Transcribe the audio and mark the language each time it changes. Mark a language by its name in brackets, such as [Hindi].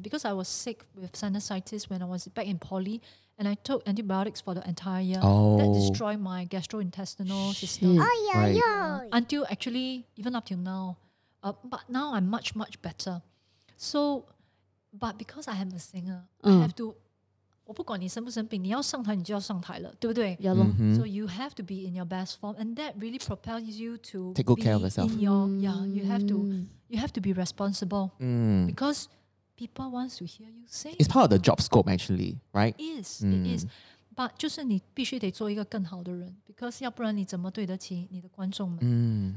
[English] Because I was sick with sinusitis when I was back in poly. And I took antibiotics for the entire year. That destroyed my gastrointestinal system. Until actually, even up till now. But now I'm much, much better. So, but because I am a singer, I have to... [Chinese] 我不管你生不生病，你要上台，你就要上台了，对不对？ [English] Yeah, mm-hmm. So you have to be in your best form, and that really propels you to take good care of yourself. You have to be responsible because people want to hear you sing. It's part of the job scope, actually, right? It is. But [Chinese] 就是你必须得做一个更好的人, [English] because [Chinese] 要不然你怎么对得起你的观众们？